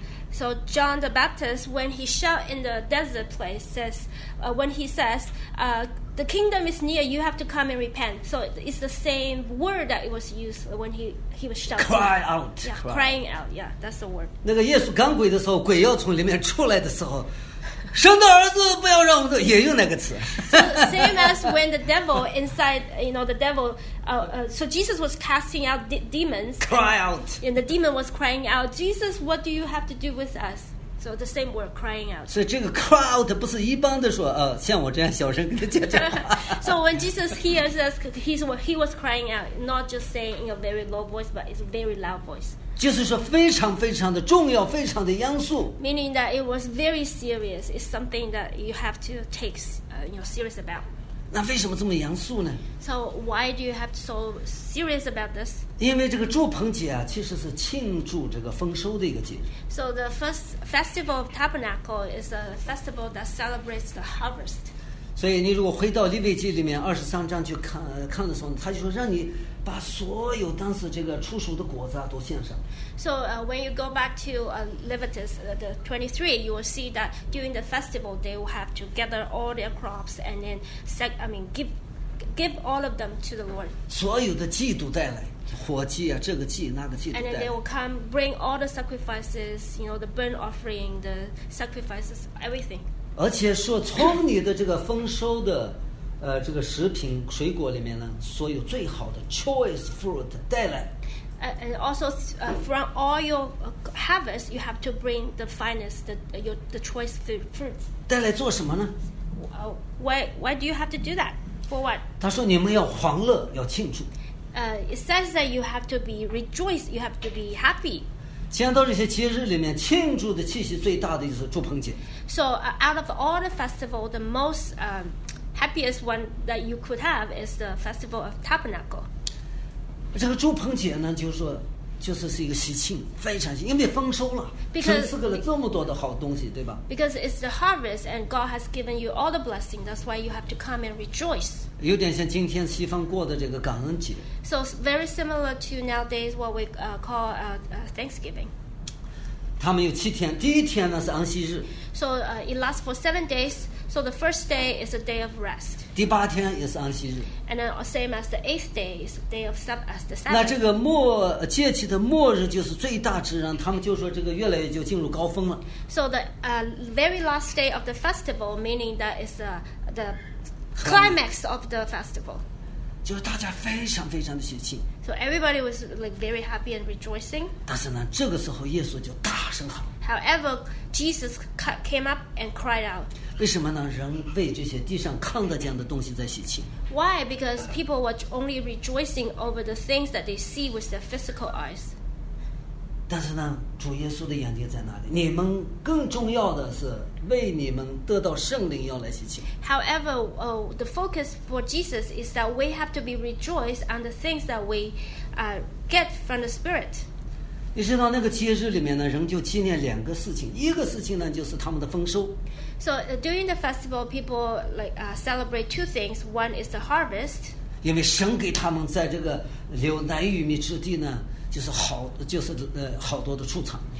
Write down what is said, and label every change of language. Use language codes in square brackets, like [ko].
[en] So John the Baptist when he shout in the desert place says, when he says the kingdom is near you have to come and repent so it's the same word that it was used when he was shouting cry out yeah, crying out yeah that's the word [zh] 那个耶稣赶鬼的时候鬼要从里面出来的时候神的儿子不要让我们也用那个词。 [en] So, same as when the devil inside, you know, the devil, so Jesus was casting out demons. Cry out. And the demon was crying out, Jesus, what do you have to do with us? So the same word, crying out. [zh] 所以这个 [en] cry out [zh] 不是一般的说，像我这样小声跟他讲讲。 [en] So when Jesus hears us, he was crying out, not just saying in a very low voice, but it's a very loud voice. [zh] 就是说非常非常的重要非常的严肃 [en] meaning that it was very serious it's something that you have to take you know, serious about [zh] 那为什么这么严肃呢 [en] ？So why do you have so serious about this？ [zh] 因为这个祝棚节啊，其实是庆祝这个丰收的一个节日。 [en] So the first festival of Tabernacle is a festival that celebrates the harvest。 [zh] 所以你如果回到利未记里面二十三章去看的时候，他就说让你把所有当时这个出熟的果子啊都献上。 [en] So when you go back to Leviticus the 23, you will see that during the festival they will have to gather all their crops and then give all of them to the Lord. [zh] 所有的祭都带来，火祭啊，这个祭那个祭都带来。 [en] And then they will come bring all the sacrifices, you know, the burnt offering, the sacrifices, everything. [zh] 而且说从你的这个丰收的。这个食品水果里面呢，所有最好的 [en] choice fruit [zh] 带来。 [en] And also from all your harvest, you have to bring the finest, the choice fruits. [zh] 带来做什么呢 [en] ？Why do you have to do that? For what? [zh] 他说你们要欢乐，要庆祝。 [en] It says that you have to be rejoice, you have to be happy. [zh] 讲到这些节日里面，庆祝的气息最大的就是祝棚节。 [en] So out of all the festival, the most happiest one that you could have is the festival of Tabernacle. [zh] 这个祝棚节呢，就是说，就是一个喜庆，非常喜，因为丰收了，赐给了这么多的好东西，对吧 [en] ？Because it's the harvest, and God has given you all the blessing. That's why you have to come and rejoice. [zh] 有点像今天西方过的这个感恩节。 [en] So very similar to nowadays what we call Thanksgiving. [zh] 他们有七天，第一天呢是安息日。 [en] So it lasts for 7 days. So the first day is a day of rest. [zh] 第八天也是安息日。 [en] And then same as the eighth day is day of Sabbath. As the Sabbath. [zh] 那这个末节期的末日就是最大之日，他们就说这个越来越就进入高峰了。 [en] So the very last day of the festival, meaning that is the climax of the festival. [zh] 就是大家非常非常的喜庆。 [en] So everybody was like very happy and rejoicing. [zh] 但是呢，这个时候耶稣就大声喊。 [en] However, Jesus came up and cried out. [zh] 为什么呢？人为这些地上看得见的东西在喜庆。 [en] Why? Because people were only rejoicing over the things that they see with their physical eyes. [zh] 但是呢，主耶稣的眼睛在哪里？你们更重要的是为你们得到圣灵要来喜庆。 [en] However, the focus for Jesus is that we have to be rejoiced on the things that we get from the Spirit. [zh] 你知道那个节日里面呢，人就纪念两个事情，一个事情呢就是他们的丰收。 [en] So during the festival, people like celebrate two things. One is the harvest. [zh] 因为神给他们在这个流奶与蜜之地呢，就是好，就是好多的出产。